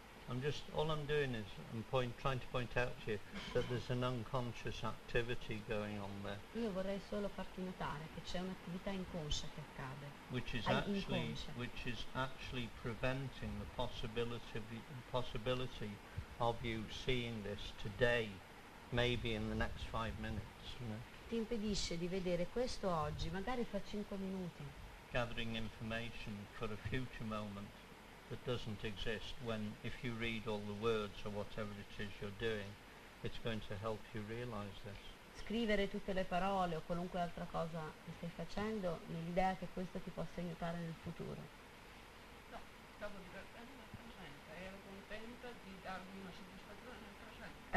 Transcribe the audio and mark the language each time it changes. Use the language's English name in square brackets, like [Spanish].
[English] I'm trying to point out to you that there's an unconscious activity going on there. [Italian] Io vorrei solo farti notare che c'è un'attività inconscia che accade. [English] Which is actually preventing the possibility of you seeing this today, maybe in the next 5 minutes. [Italian] Ti impedisce di vedere questo oggi, magari fra 5 minuti. [English] Gathering information for a future moment that doesn't exist. When if you read all the words or whatever it is you're doing, it's going to help you realize this. [Italian] Scrivere tutte le parole o qualunque altra cosa che stai facendo nell'idea che questo ti possa aiutare nel futuro. No, stavo divertendo nel presente, ero contenta di darmi una soddisfazione nel presente.